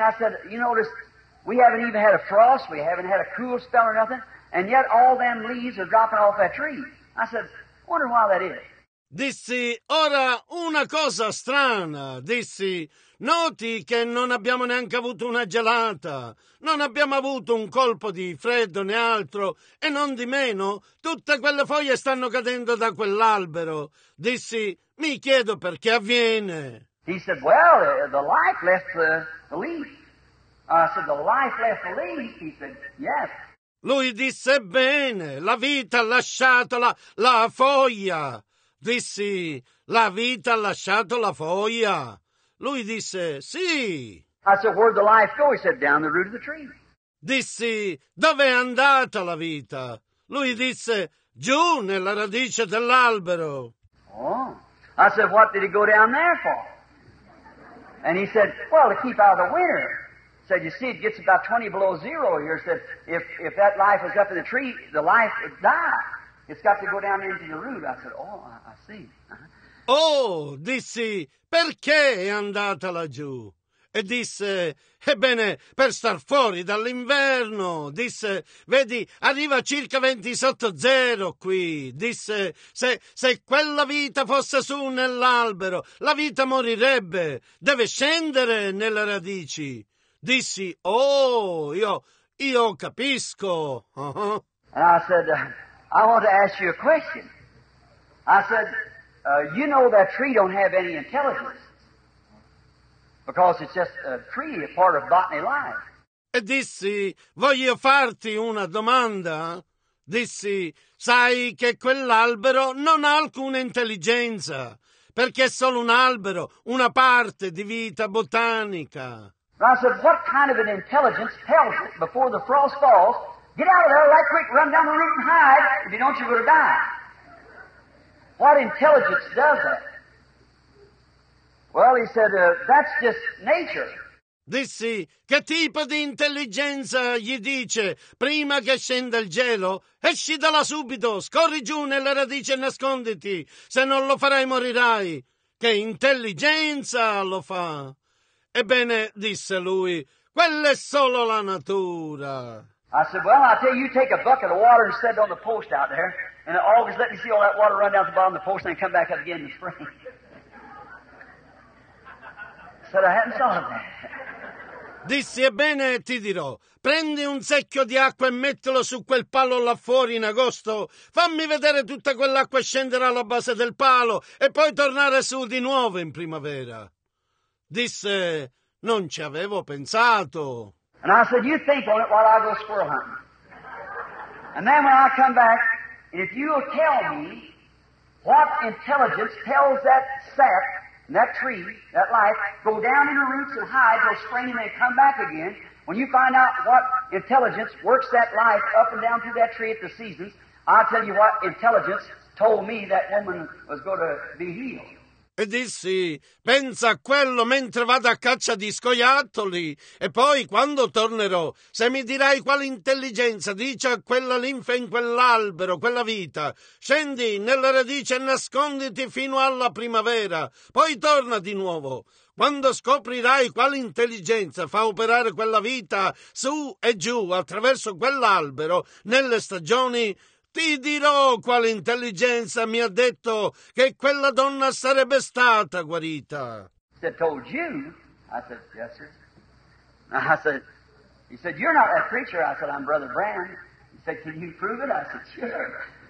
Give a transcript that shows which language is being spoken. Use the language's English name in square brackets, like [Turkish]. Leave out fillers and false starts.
[English] I said, you notice, we haven't even had a frost, we haven't had a cool spell or nothing, and yet all them leaves are dropping off that tree. I said, wonder why that is. [Italian] Dissi, ora, una cosa strana. Dissi, noti che non abbiamo neanche avuto una gelata, non abbiamo avuto un colpo di freddo né altro, e non di meno, tutte quelle foglie stanno cadendo da quell'albero. Dissi, mi chiedo perché avviene. [English] He said, well, the life left the leaf. The life left the leaf. He said, yes. [Italian] Lui disse, bene, la vita ha lasciato la foglia. Dissi, la vita ha lasciato la foglia. Lui disse, sì. [English] I said, where'd the life go? He said, down the root of the tree. [Italian] Dissi, dov'è andata la vita? Lui disse, giù nella radice dell'albero. [English] Oh, I said, what did he go down there for? And he said, well, to keep out of the winter. Said, you see, it gets about 20 below zero here. Said, if that life was up in the tree, the life would die. It's got to go down into the root. I said, oh, I see. [Italian] Oh, dissi, perché è andata laggiù? e disse: ebbene, per star fuori dall'inverno, disse, vedi, arriva circa 20 sotto zero qui, disse, se quella vita fosse su nell'albero, la vita morirebbe, deve scendere nelle radici. Dissi, oh, io capisco. [English] And I said, I want to ask you a question. I said, you know that tree don't have any intelligence. Because it's just a tree, a part of botany life. [Italian] E dissi, voglio farti una domanda. Dissi, sai che quell'albero non ha alcuna intelligenza, perché è solo un albero, una parte di vita botanica. [English] And I said, what kind of an intelligence tells it before the frost falls, get out of there right quick, run down the root and hide, if you don't, you're going to die. What intelligence does that? Well, he said, that's just nature. [Italian] Dissi, che tipo di intelligenza gli dice, prima che scenda il gelo, esci da là subito, scorri giù nelle radici e nasconditi, se non lo farai morirai. Che intelligenza lo fa? Ebbene, disse lui, quella è solo la natura. [English] I said, well, I'll tell you, take a bucket of water and set it on the post out there, and it always let me see all that water run down the bottom of the post and then come back up again in the spring. Said, I hadn't thought of that. [Italian] Dissi, ebbene, ti dirò, prendi un secchio di acqua e mettilo su quel palo là fuori in agosto, fammi vedere tutta quell'acqua scendere alla base del palo e poi tornare su di nuovo in primavera. Disse, non ci avevo pensato. [English] And I said, you think on it while I go squirrel hunting. And then when I come back, if you'll tell me what intelligence tells that sap, that tree, that life, go down in the roots and hide, go spring and then come back again, when you find out what intelligence works that life up and down through that tree at the seasons, I'll tell you what intelligence told me that woman was going to be healed. [Italian] E dissi, pensa a quello mentre vado a caccia di scoiattoli, e poi quando tornerò, se mi dirai quale intelligenza dice a quella linfa in quell'albero, quella vita, scendi nella radice e nasconditi fino alla primavera, poi torna di nuovo. Quando scoprirai quale intelligenza fa operare quella vita su e giù attraverso quell'albero nelle stagioni, ti dirò quale intelligenza mi ha detto che quella donna sarebbe stata guarita. [English] He said, told you? I said, yes, sir. I said, he said, you're not that preacher. I said, I'm Brother Brown. He said, can you prove it? I said, sure.